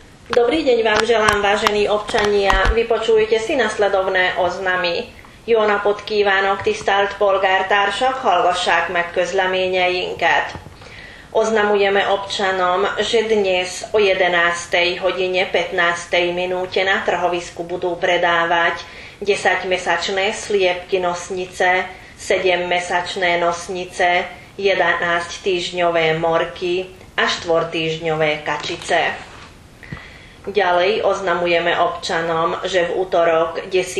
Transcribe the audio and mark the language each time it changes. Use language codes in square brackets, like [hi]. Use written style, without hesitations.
[sk] Dobrý deň vám želám, vážení občania. Vypočujte si nasledovné oznamy. [hu] Jó napot kívánok, tisztelt polgártársak, hallgassák meg közleményeinket. [sk] Oznamujeme občanom, že dnes o 11. hodine 15. minúte na trhovisku budú predávať 10-mesačné sliepky nosnice, 7-mesačné nosnice, 11-týždňové morky a 4-týždňové kačice. Ďalej oznamujeme občanom, že v útorok 10.